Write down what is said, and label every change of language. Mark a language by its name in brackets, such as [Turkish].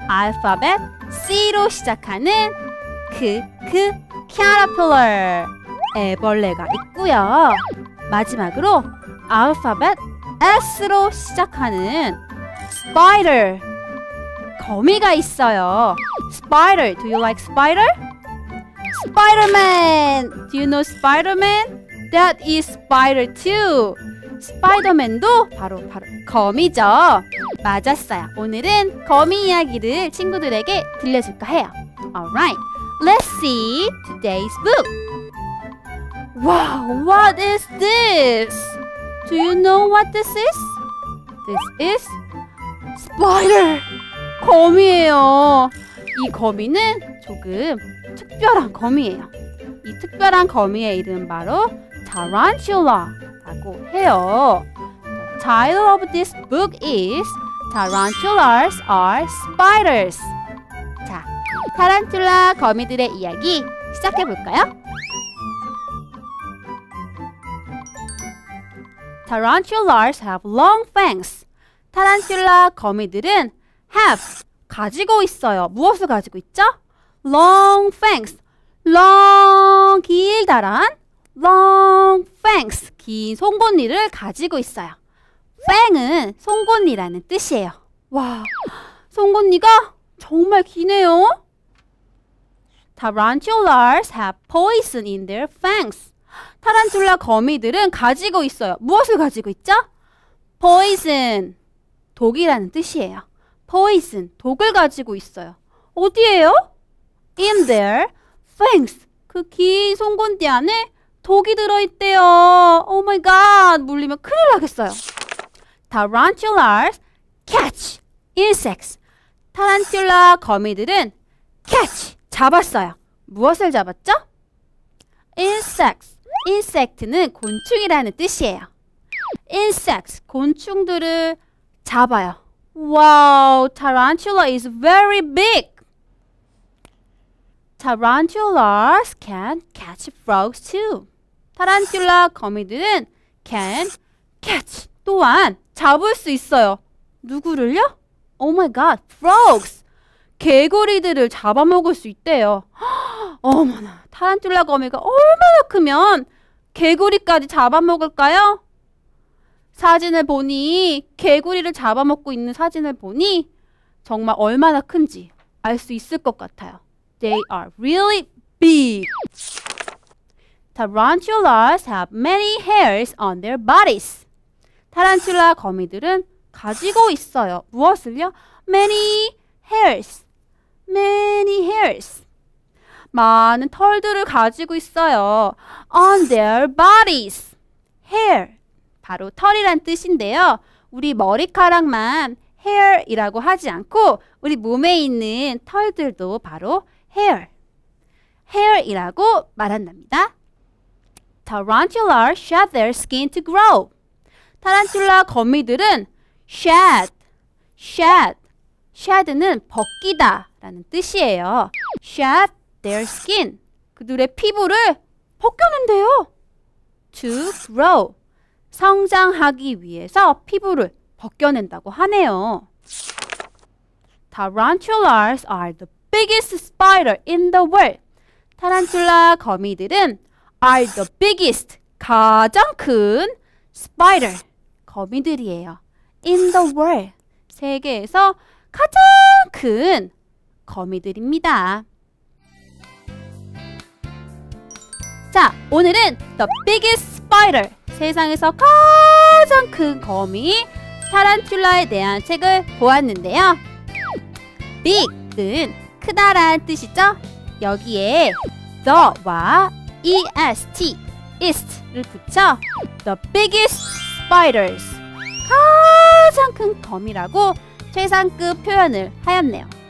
[Korean] Alphabet C로 시작하는 caterpillar. 애벌레가 있고요. 마지막으로 alphabet S로 시작하는 spider. 거미가 있어요. [English] Spider. Do you like spider? Spider-Man. Do you know Spider-Man? That is spider too. [Korean] Spider-Man도 바로 거미죠. 맞았어요. 오늘은 거미 이야기를 친구들에게 들려줄까 해요. [English] Alright. Let's see today's book. Wow, what is this? Do you know what this is? This is spider! [Korean] 거미예요. 이 거미는 조금 특별한 거미예요. 이 특별한 거미의 이름 바로 tarantula라고 해요. [English] The title of this book is Tarantulas are Spiders. [Korean] 자, 타란툴라 거미들의 이야기 시작해볼까요? [English] Tarantulas have long fangs. [Korean] 타란툴라 거미들은 have, 가지고 있어요. 무엇을 가지고 있죠? [English] Long fangs. Long, [Korean] 길다란. [English] Long fangs. [Korean] 긴 송곳니를 가지고 있어요. Fang은 송곳니라는 뜻이에요. 와, 송곳니가 정말 기네요. [English] Tarantulas have poison in their fangs. [Korean] 타란툴라 거미들은 가지고 있어요. 무엇을 가지고 있죠? Poison, 독이라는 뜻이에요. Poison, 독을 가지고 있어요. 어디에요? [English] In their fangs, [Korean] 그 긴 송곳니 안에 독이 들어있대요. [English] Oh my god, [Korean] 물리면 큰일 나겠어요. [English] Tarantulas catch insects. [Korean] 타란툴라 거미들은 catch, 잡았어요. 무엇을 잡았죠? Insects. Insect는 곤충이라는 뜻이에요. Insects, 곤충들을 잡아요. [English] Wow, tarantula is very big. Tarantulas can catch frogs too. [Korean] 타란툴라 거미들은 can catch 또한 잡을 수 있어요. 누구를요? [English] Oh my god, frogs. [Korean] 개구리들을 잡아먹을 수 있대요. 어머나, 타란툴라 거미가 얼마나 크면 개구리까지 잡아먹을까요? 사진을 보니, 개구리를 잡아먹고 있는 사진을 보니 정말 얼마나 큰지 알 수 있을 것 같아요. [English] They are really big. Tarantulas have many hairs on their bodies. [Korean] 타란툴라 거미들은 가지고 있어요. 무엇을요? [English] Many hairs. Many hairs. [Korean] 많은 털들을 가지고 있어요. [English] On their bodies. Hair. [Korean] 바로 털이란 뜻인데요. 우리 머리카락만 hair이라고 하지 않고 우리 몸에 있는 털들도 바로 hair. Hair이라고 말한답니다. [English] Tarantula shed their skin to grow. [Korean] 타란툴라 거미들은 shed. [English] Shed. [Korean] Shed는 벗기다 라는 뜻이에요. [English] Shed their skin. [Korean] 그들의 피부를 벗겼는데요. [English] To grow. [Korean] 성장하기 위해서 피부를 벗겨낸다고 하네요. [English] Tarantulas are the biggest spider in the world. [Korean] 타란툴라 거미들은 [English] are the biggest, [Korean] 가장 큰 spider, 거미들이에요. [English] In the world. [Korean] 세계에서 가장 큰 거미들입니다. 자, 오늘은 The Biggest Spider. 세상에서 가장 큰 거미 타란툴라에 대한 책을 보았는데요. Big은 크다라는 뜻이죠. 여기에 The와 EST, East를 붙여 The Biggest Spiders, 가장 큰 거미라고 최상급 표현을 하였네요.